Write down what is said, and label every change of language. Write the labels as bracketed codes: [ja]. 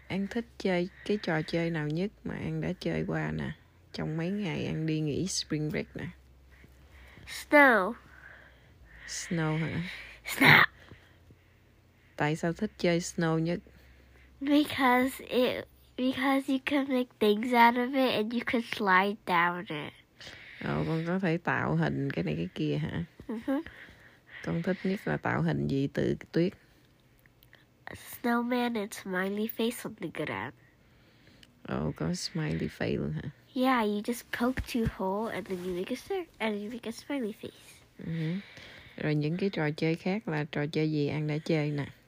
[vi] An thích chơi cái trò chơi nào nhất mà An đã chơi qua nè? Trong mấy ngày An đi nghỉ spring break nè. [en] Snow. [vi] Snow hả? [en] Snow. [vi] Tại sao thích chơi snow nhất? [en] Because you can make things out of it and you can slide down it. [vi] Ồ, con có thể tạo hình cái này cái kia hả? Con thích nhất là tạo hình gì từ tuyết? [en] Snowman and smiley face on the ground. [vi] Oh, có smiley face luôn hả? [en] Yeah, you just poke two holes and then you make a star and you make a smiley face. [vi] Rồi những cái trò chơi khác là trò chơi gì An đã chơi nè?